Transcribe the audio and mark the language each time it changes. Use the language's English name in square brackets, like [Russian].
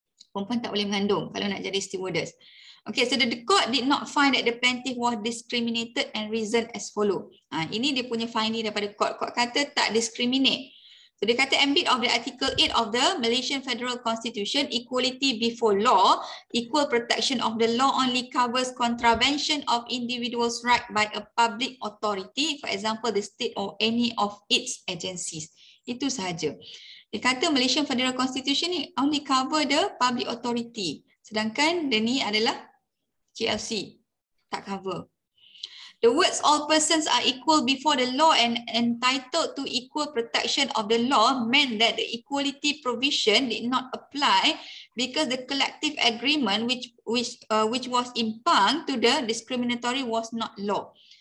[Malay] Perempuan tak boleh mengandung kalau nak jadi stewardess. [English] Okay, so the court did not find that the plaintiff was discriminated and reasoned as follow. [Malay] Ini dia punya finding daripada court. Court kata tak discriminate. [English] So [Malay] dia kata [English] ambit of the Article 8 of the Malaysian Federal Constitution, equality before law, equal protection of the law only covers contravention of individual's right by a public authority, for example the state or any of its agencies. [Malay] Itu sahaja. Dia kata Malaysian Federal Constitution ni [English] only cover the public authority. [Malay] Sedangkan dia ni adalah KLC, tak cover. [English] The words all persons are equal before the law and entitled to equal protection of the law meant that the equality provision did not apply because the collective agreement which was impugned to the discriminatory was not law.